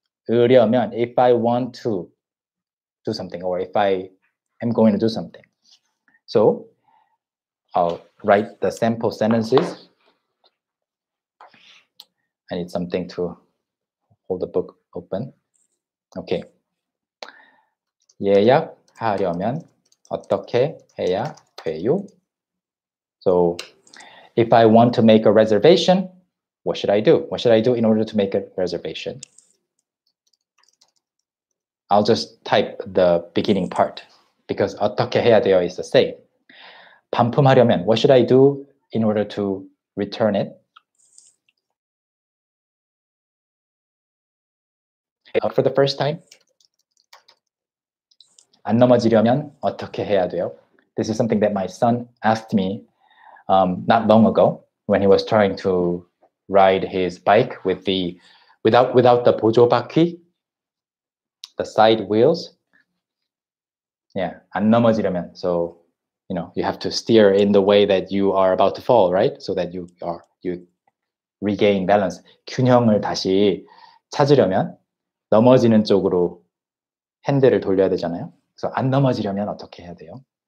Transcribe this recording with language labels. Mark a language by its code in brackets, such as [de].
[ko] 그러면 [en] if I want to do something or if I am going to do something. So I'll write the sample sentences. I need something to hold the book open. Okay. [ko] 예약하려면 어떻게 해야 돼요? [en] So, if I want to make a reservation, what should I do? What should I do in order to make a reservation? I'll just type the beginning part because [ko] 어떻게 해야 돼요 [en] is the same. [ko] 반품하려면, [en] what should I do in order to return it? For the first time, [ko] 안 넘어지려면 어떻게 해야 돼요? [en] This is something that my son asked me not long ago when he was trying to ride his bike with the without the [ko] 보조 바퀴, [en] the side wheels. Yeah, [ko] 안 넘어지려면. [en] So, you know, you have to steer in the way that you are about to fall, right? So that you regain balance. [ko] 균형을 다시 찾으려면 넘어지는 쪽으로 핸들을 돌려야 되잖아요. 그래서 안 넘어지려면 어떻게 해야 돼요?